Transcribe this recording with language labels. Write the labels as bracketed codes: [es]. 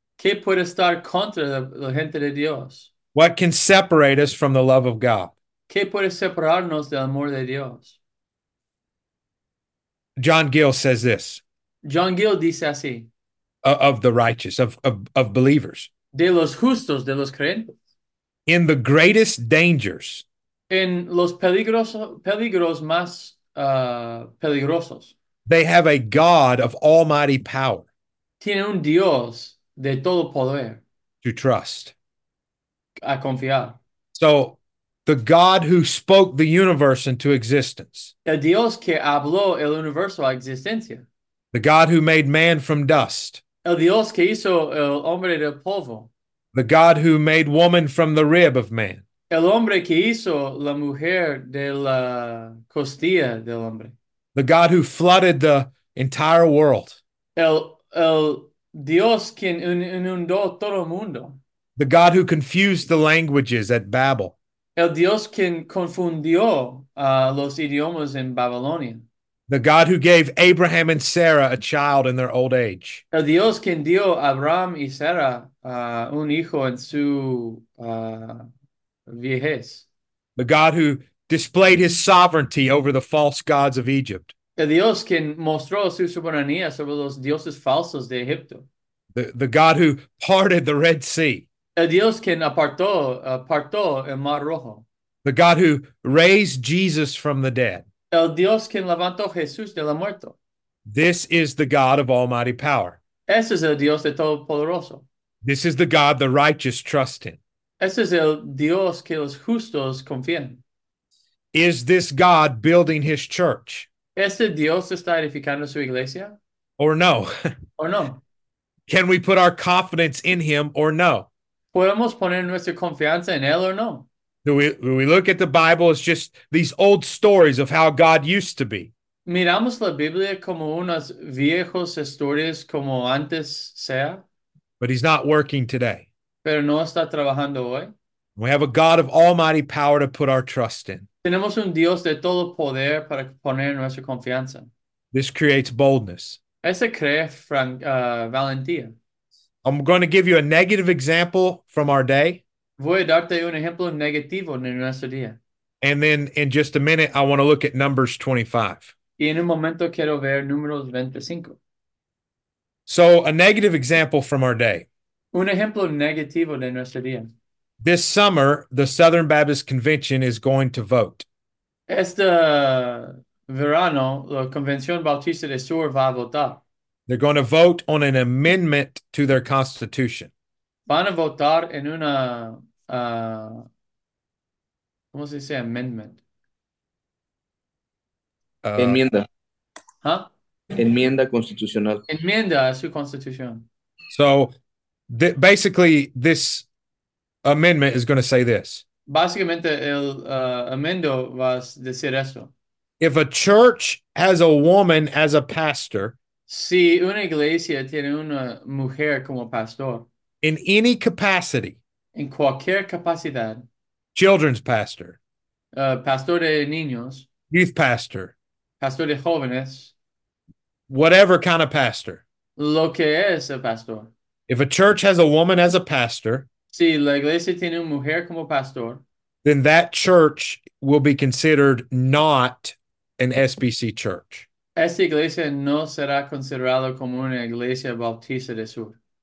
[es] ¿Qué puede estar contra la gente de Dios? [en] What can separate us from the love of God? [es] ¿Qué puede separarnos del amor de Dios? [en] John Gill says this [es] John Gill dice así: [en] of the righteous, of believers. [es] De los justos, de los creyentes. [en] In the greatest dangers, [es] En los peligros más peligrosos. [en] they have a God of almighty power [es] Tiene un Dios de todo poder [en] to trust. [es] a confiar. [en] So, the God who spoke the universe into existence, [es] El Dios que habló el universo a existencia. [en] the God who made man from dust. [es] El Dios que hizo el hombre de polvo. [en] The God who made woman from the rib of man. [es] El hombre que hizo la mujer de la costilla del hombre. [en] The God who flooded the entire world. [es] El Dios quien inundó todo el mundo. [en] The God who confused the languages at Babel. [es] El Dios quien confundió los idiomas en Babilonia. [en] The God who gave Abraham and Sarah a child in their old age. [es] El Dios quien dio a Abraham y Sara un hijo en su vejez. [en] The God who displayed his sovereignty over the false gods of Egypt. [es] El Dios quien mostró su soberanía sobre los dioses falsos de Egipto. [en] The God who parted the Red Sea. [es] El Dios quien apartó el Mar Rojo. [en] The God who raised Jesus from the dead. [es] El Dios quien levantó Jesús de la muerte. [en] This is the God of almighty power. [es] Ese es el Dios de todo poderoso. [en] This is the God the righteous trust in. [es] Ese es el Dios que los justos confían. [en] Is this God building his church? [es] ¿Ese Dios está edificando su iglesia? [en] Or no? [es] ¿O no? [en] Can we put our confidence in him or no? [es] ¿Podemos poner nuestra confianza en él o no? [en] Do we look at the Bible as just these old stories of how God used to be? [es] ¿Miramos la Biblia como unas viejas historias como antes sea? [en] But he's not working today. [es] Pero no está trabajando hoy. [en] We have a God of almighty power to put our trust in. [es] Tenemos un Dios de todo poder para poner nuestra confianza. [en] This creates boldness. [es] Ese cree valentía. [en] I'm going to give you a negative example from our day. [es] Voy a darte un ejemplo negativo en nuestro día. [en] And then in just a minute, I want to look at Numbers 25. [es] Y en un momento quiero ver números 25. [en] So a negative example from our day. [es] Un ejemplo negativo de nuestro día. [en] This summer, the Southern Baptist Convention is going to vote. [es] Este verano, la Convención Bautista del Sur va a votar. [en] They're going to vote on an amendment to their constitution. [es] Van a votar en una, ¿cómo se dice? [en] Amendment. [es] Enmienda. ¿Huh? Enmienda constitucional. Enmienda a su constitución. [en] So basically, this amendment is going to say this. [es] Básicamente, el amendo va a decir esto. [en] If a church has a woman as a pastor, [es] Si una iglesia tiene una mujer como pastor, [en] in any capacity, [es] en cualquier capacidad, [en] children's pastor, [es] pastor de niños, [en] youth pastor, [es] pastor de jóvenes, [en] whatever kind of pastor. [es] lo que es el pastor. [en] If a church has a woman as a pastor, [es] Si la iglesia tiene una mujer como pastor, [en] then that church will be considered not an SBC church. [es] esta iglesia no será considerada como una iglesia bautista del sur.